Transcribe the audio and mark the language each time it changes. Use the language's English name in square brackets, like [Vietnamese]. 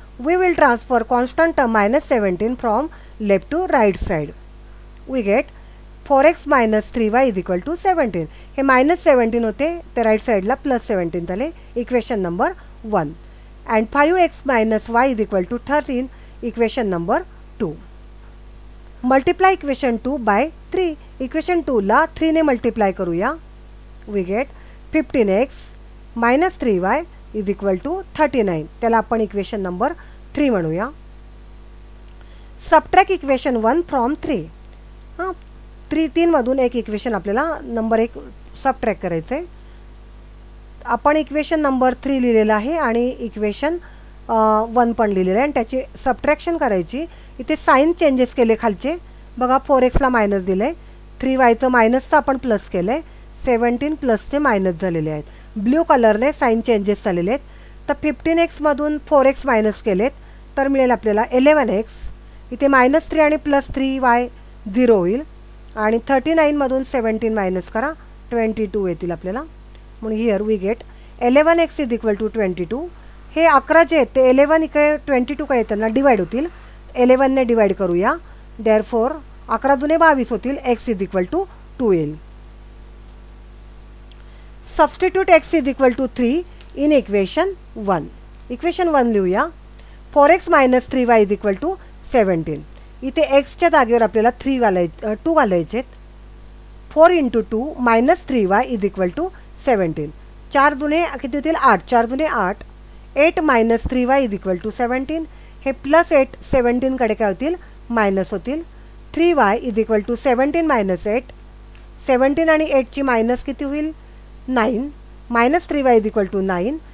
[English] We will transfer constant term minus 17 from left to right side. We get 4x minus 3y is equal to 17. [Marathi] हे minus 17 होते ते right साईडला plus 17 झाले. Equation number 1. [English] And 5x minus y is equal to 13. Equation number 2. Multiply equation 2 by 3. [Marathi] Equation 2 3 ने multiply करूया. [English] We get 15x minus 3y is equal to 39. [Marathi] त्याला आपण equation number 3 म्हणूया. [English] Subtract equation 1 from 3. [Marathi] हां, 3-3 एक इक्वेशन आपल्याला नंबर 1 सबट्रॅक करायचं आहे. आपण इक्वेशन नंबर 3 लिहिलेलं आहे आणि इक्वेशन 1 पण लिहिलेलं आहे आणि त्याची सबट्रॅक्शन करायची. इथे साईन चेंजेस केले खालचे. बघा, 4x मायनस दिलं आहे, 3y मायनसचं आपण प्लस केलं आहे, 17 प्लसचे मायनस झालेले आहेत. ब्ल्यू कलरने साईन चेंजेस झालेले आहेत. तर 15x 4x मायनस केलेत तर मिळेल आपल्याला 11x. इथे मायनस 3 आणि प्लस 3y 0 होईल. आणि 39 17 मायनस करा, 22 येतील आपल्याला. म्हणून [English] here we get 11x is equal to 22 [Marathi] हे 11 जे आहेत ते 11 इकडे 22 कडे येताना डिवाइड होतील, 11 ने डिवाइड करूया, देअरफोर 11 जुने 22 होतील, एक्स इज इक्वल टू 2 येईल. [English] Substitute x is equal to 3 in equation 1. [Marathi] Equation 1 लिहूया, [English] 4x minus 3y is equal to 17. [Marathi] इथे एक्सच्या जागेवर आपल्याला 3 घालाय 2 घालायचे आहेत. [English] 4 into 2 minus 3y is equal to 17. [Marathi] 4 जुने किती होतील 8, 4 जुने 8, [English] 8 minus 3y is equal to 17. [Marathi] हे प्लस 8 17 कडे काय होतील, मायनस होतील. [English] 3y is equal to 17 minus 8, [Marathi] 17 आणि 8 ची मायनस किती होईल 9, [English] Minus 3y is equal to 9.